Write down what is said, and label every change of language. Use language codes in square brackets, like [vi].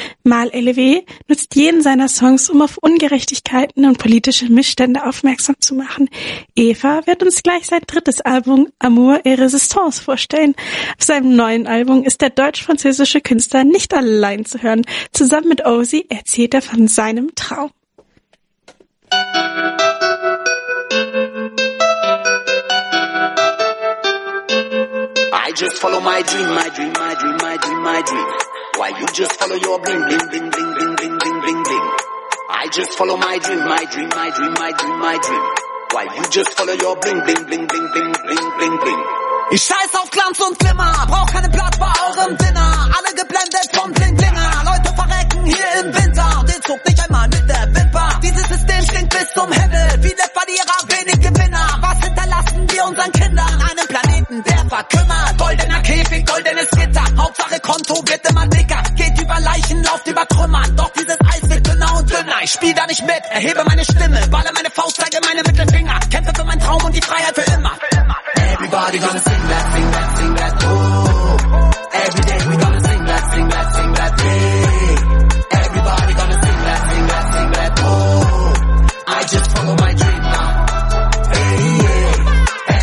[de] Mal LW nutzt jeden seiner Songs, um auf Ungerechtigkeiten und politische Missstände aufmerksam zu machen. Eva wird uns gleich sein drittes Album Amour et Résistance vorstellen. Auf seinem neuen Album ist der deutsch-französische Künstler nicht allein zu hören. Zusammen mit Ozzy erzählt er von seinem Traum. [en] I just follow my dream, my dream, my dream, my dream, my dream. Why you just follow your bling, bling, bling, bling, bling, bling, bling, bling, bling. I just follow my dream, my dream, my dream, my dream, my dream. Why you just follow your bling, bling, bling, bling, bling, bling, bling, bling. [de] Ich scheiß auf Glanz und Glimmer, brauch keinen Platz bei eurem Dinner. Alle geblendet vom Bling-Blinger, Leute verrecken hier im Winter. Den zuckt nicht einmal mit der Wimper. Dieses System stinkt bis zum Himmel, viele Verlierer, wenig Gewinner. Was hinterlassen wir unseren Kindern? Einen Planeten, der verkümmert. Goldener Käfig, goldenes Gitter, Hauptsache Konto wird immer dicker. Geht über Leichen, lauft über Trümmern, doch dieses Eis wird dünner und dünner. Ich spiel da nicht mit, erhebe meine Stimme, balle meine Faust, zeige meine Mittelfinger. Kämpfe für meinen Traum und die Freiheit für immer. [en] Everybody gonna sing that, sing that, sing that, oh. Every day we gonna sing that, sing that, sing that, yeah. Everybody gonna sing that, sing that, sing that, oh. I just follow my dream now, hey, yeah.